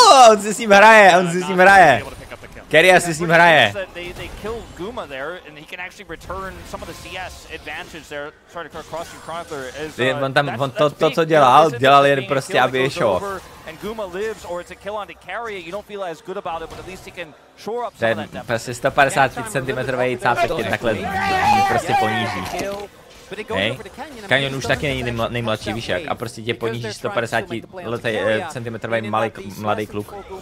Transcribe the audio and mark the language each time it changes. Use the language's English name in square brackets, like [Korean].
[Czech] On si s ním hraje, on si s ním hraje. Kerya si s ním hraje. [English] They killed Guma there and he can actually return some of the CS advantage there trying to cross your Chronicler. [Czech] On to co dělal jen prostě aby ješo. [English] And Guma lives or it's a kill on to carry it. You don't feel as good about it, but at least he can shore up some of that depth. [Czech] 153 cm cápek tě takhle prostě poníží. Hej, Canyon už taky není nejmladší, víš jak, a prostě tě poníží 150 cm malý mladý kluk.